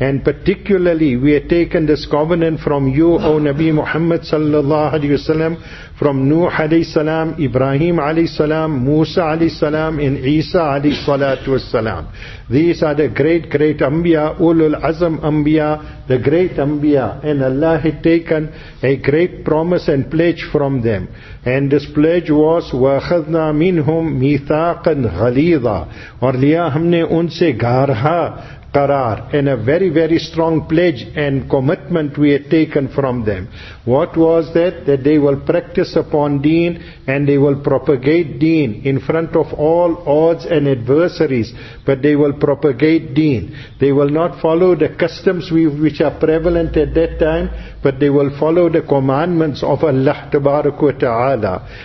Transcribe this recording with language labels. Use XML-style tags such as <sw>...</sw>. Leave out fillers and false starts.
<en>And particularly we had taken this covenant from you, O Nabi Muhammad sallallahu alayhi wa sallam, from Nuh alayhi salam, Ibrahim alayhi salam, Musa alayhi salam, and Isa alayhi salatu wa salam. These are the great, great Anbiya, Ulul Azam Anbiya, the great Anbiya, and Allah had taken a great promise and pledge from them. And this pledge was,</en> <ar>وَأَخَذْنَا مِنْهُمْ مِيثَاقًا غَلِيظًا</ar> <ur>اور لیا ہم نے ان سے گارہا قرار.</ur> <en>And a very, very strong pledge and commitment we had taken from them. What was that? That they will practice upon deen and they will propagate deen in front of all odds and adversaries, but they will propagate deen. They will not follow the customs which are prevalent at that time, but they will follow the commandments of Allah Tabaraka wa Ta'ala.</en>